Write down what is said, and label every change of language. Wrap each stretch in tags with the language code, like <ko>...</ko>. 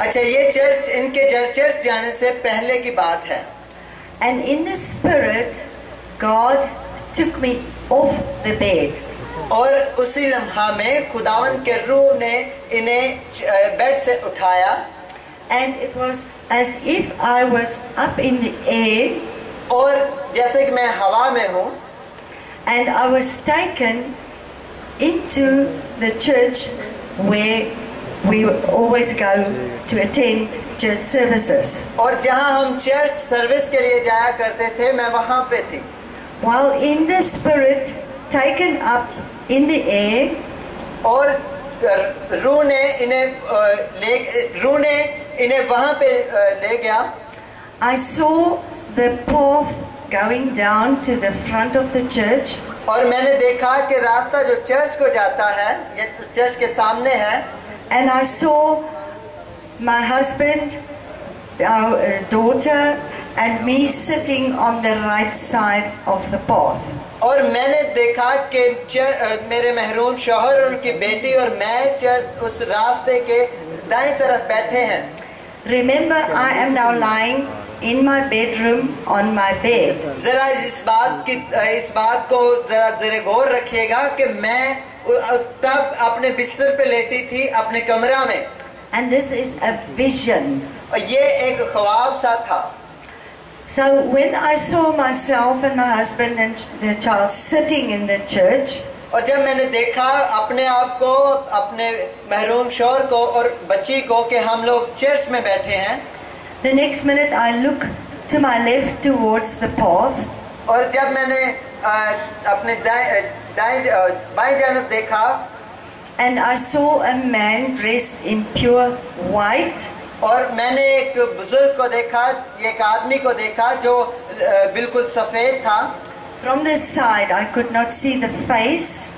<hi>अच्छा, ये चर्च, इनके चर्च जाने से पहले की बात है।</hi> <en>And in the spirit, God took me off the bed.</en> <hi>और उसी लम्हा में खुदावन के रूह ने इन्हें बेड से उठाया।</hi> <en>And it was as if I was up in the air.</en> <hi>और जैसे कि मैं हवा में हूँ।</hi> <en>And I was taken into the church where we always go to attend church services.</en> <hi>और जहाँ हम चर्च सर्विस के लिए जाया करते थे, मैं वहाँ पे थी।</hi> <en>While in the spirit, taken up in the air,</en> <hi>और रूह ने इन्हें वहाँ पे ले गया।</hi> <en>I saw the path going down to the front of the church.</en> <hi>और मैंने देखा कि रास्ता जो चर्च को जाता है, ये चर्च के सामने है।</hi> <en>And I saw my husband, our daughter, and me sitting on the right side of the path.</en> <hi>और मैंने देखा कि मेरे महरूम शोहर, उनकी बेटी और मैं उस रास्ते के दाएं तरफ बैठे हैं।</hi> <en>Remember, I am now lying in my bedroom on my bed.</en> <hi>जरा इस बात को जरा जरे गौर रखिएगा कि मैं तब अपने बिस्तर पे लेटी थी अपने कमरा में.</hi> <en>And this is a vision.</en> <hi>और ये एक ख्वाब सा था.</hi> <en>So when I saw myself and my husband and the child sitting in the church.</en> <hi>और जब मैंने देखा अपने आप को अपने महरूम शौहर को और बच्ची को कि हम लोग चर्च में बैठे हैं.</hi> <en>The next minute I look to my left towards the path.</en> <hi>और जब मैंने अपने बाई जानब देखा.</hi> <en>And I saw a man dressed in pure white.</en> <hi>और मैंने एक बुजुर्ग को देखा एक आदमी को देखा जो बिल्कुल सफेद था.</hi> <en>From this side, I could not see the face.</en>